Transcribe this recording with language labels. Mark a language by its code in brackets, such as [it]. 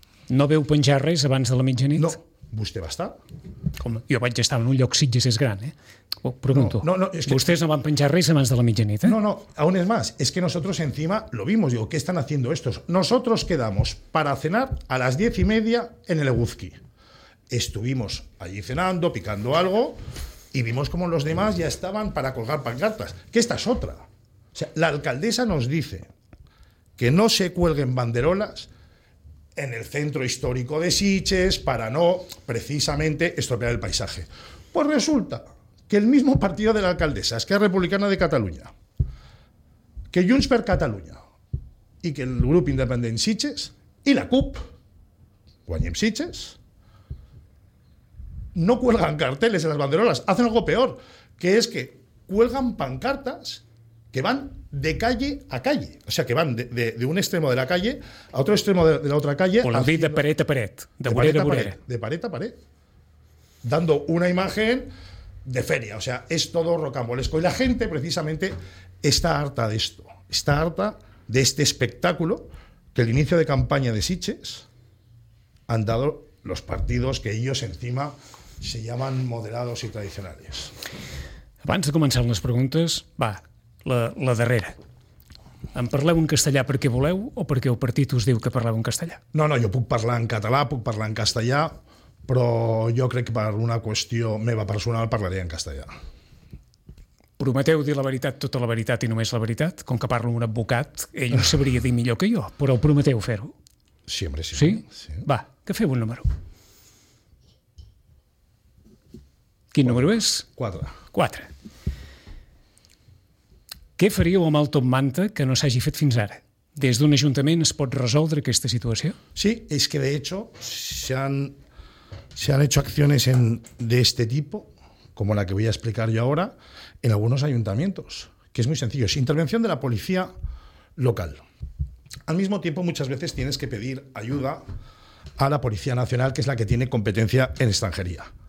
[ca] No veu penjar res abans de la mitjanit? No, vostè va estar. Com? Jo vaig estar en un lloc Sitges és gran, Ho pregunto. No, és que vostès no van penjar res abans de la mitjanit, [es] No, aún es más. Es que nosotros encima lo vimos. Digo, ¿qué están haciendo estos? Nosotros quedamos para cenar a las 10:30 en el Eguzqui. Estuvimos allí cenando, picando algo, y vimos como los demás ya estaban para colgar pancartas. Que esta es otra. O sea, la alcaldesa nos dice que no se cuelguen banderolas en el centro histórico de Sitges para no precisamente estropear el paisaje. Pues resulta que el mismo partido de la alcaldesa, Esquerra Republicana de Cataluña, que Junts per Catalunya [ca] i que el grup independent Sitges i la CUP guanyem Sitges. [es] No cuelgan carteles en las banderolas, hacen algo peor, que es que cuelgan pancartas que van de calle a calle. O sea, que van de un extremo de la calle a otro extremo de la otra calle. Por haciendo, [ca] de paret a paret. De paret a paret, paret. De paret a paret. [es] Dando una imagen de feria. O sea, es todo rocambolesco. Y la gente, precisamente, está harta de esto. Está harta de este espectáculo que el inicio de campaña de Sitges han dado los partidos que ellos encima se llaman moderados y tradicionales. [ca] Abans de començar amb les preguntes, va, la darrera. Em parleu en castellà perquè voleu o perquè el partit us diu que parleu en castellà? No, jo puc parlar en català, puc parlar en castellà, però jo crec que per una qüestió meva personal parlaré en castellà. Prometeu dir la veritat, tota la veritat i només la veritat? Com que parlo amb un advocat, ell ho sabria dir millor que jo, però prometeu fer-ho? Sí, home, sí. Sí? Sí. Va, que feu un número. Quin número és? 4. Què faríeu amb el Top Manta que no s'hagi fet fins ara? Des d'un ajuntament es pot resoldre aquesta situació? Sí, és que [es] de hecho se han hecho acciones de este tipo, como la que voy a explicar yo ahora, en algunos ayuntamientos, que es muy sencillo. Es intervención de la policía local. Al mismo tiempo, muchas veces tienes que pedir ayuda a la Policía Nacional, que es la que tiene competencia en extranjería.